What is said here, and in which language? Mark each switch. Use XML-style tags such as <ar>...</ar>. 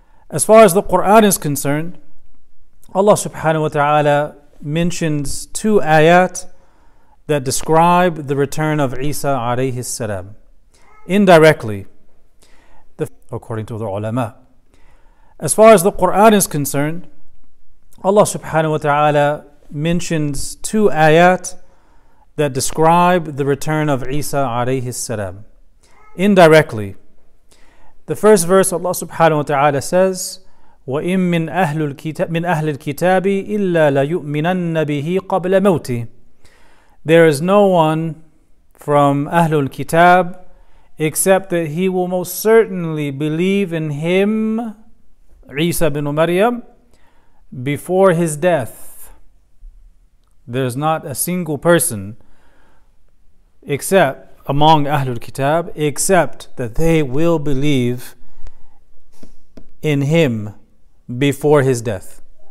<en>As far as the Quran is concerned, Allah subhanahu wa ta'ala mentions two ayat that describe the return of Isa alayhi salam indirectly, according to the ulama. As far as the Quran is concerned, Allah subhanahu wa ta'ala mentions two ayat that describe the return of Isa alayhi salam indirectly. The first verse, Allah subhanahu wa ta'ala says,</en> <ar>وَإِن مِّنْ أَهْلُ الْكِتَابِ مِّنْ أَهْلِ الْكِتَابِ إِلَّا لَيُؤْمِنَنَّ بِهِ قَبْلَ مَوْتِهِ.</ar> <en>There is no one from Ahlul Kitab except that he will most certainly believe in him, Isa ibn Maryam, before his death. There's not a single person except among Ahlul Kitab except that they will believe in him before his death.</en>